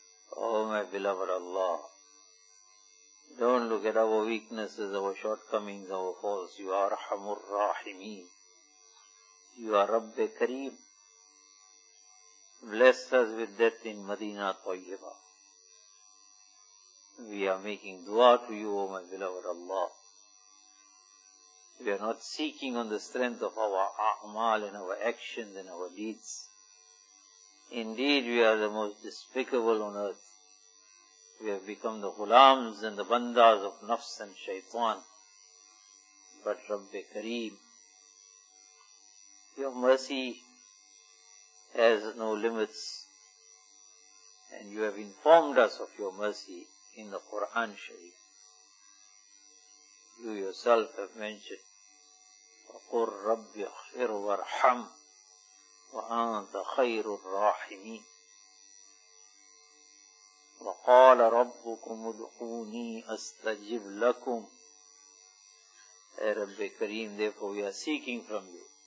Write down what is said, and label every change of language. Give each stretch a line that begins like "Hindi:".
English: O my بیلوڈ Allah don't look at اور weaknesses اور short comings اور falls you are Arham الراحمین You are Rabbe Kareem. Bless us with death in Madinah Tayyibah. We are making dua to you, O my beloved Allah. We are not seeking on the strength of our a'mal and our actions and our deeds. Indeed, we are the most despicable on earth. We have become the ghulams and the bandas of nafs and shaitan. But Rabbe Kareem, Your mercy has no limits, and you have informed us of your mercy in the Quran Sharif. You yourself have mentioned,
Arabic: وَقُلْ رَبِّ اغْفِرْ وَارْحَمْ وَأَنْتَ خَيْرُ الرَّاحِمِينَ وَقَالَ رَبُّكُمُ ادْعُونِي أَسْتَجِبْ لَكُمْ
Urdu: اے رب کریم,
English: therefore we are seeking from you.